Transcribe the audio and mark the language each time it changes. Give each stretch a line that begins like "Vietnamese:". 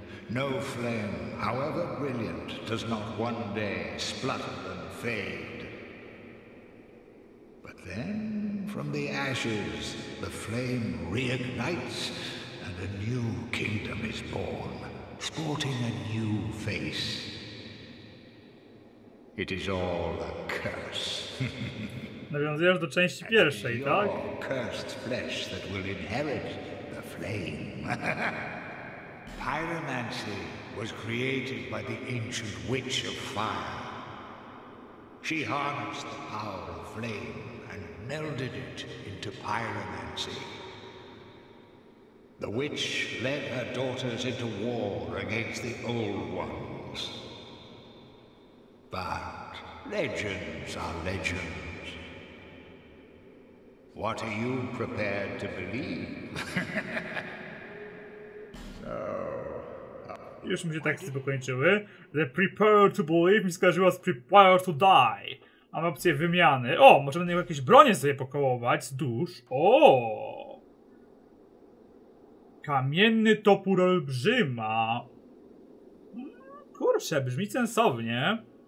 English: No flame, however brilliant, does not one day splutter and fade. But then, from the ashes, the flame reignites and a new kingdom is born, sporting a new face. It is all a curse.
Polish: Nawiązujesz do części pierwszej, tak?
English: Cursed flesh that will inherit flame. Pyromancy was created by the ancient witch of fire. She harnessed the power of flame and melded it into pyromancy. The witch led her daughters into war against the old ones. But legends are legends. What are you prepared to believe?
Polish: So, już mi się teksty pokończyły.
English: The prepared to believe
Polish: mi skojarzyło z
English: prepared to die.
Polish: Mamy opcję wymiany. O, możemy na niego jakieś bronie sobie pokołować z dusz. O! Kamienny topór olbrzyma. Kurczę, brzmi sensownie.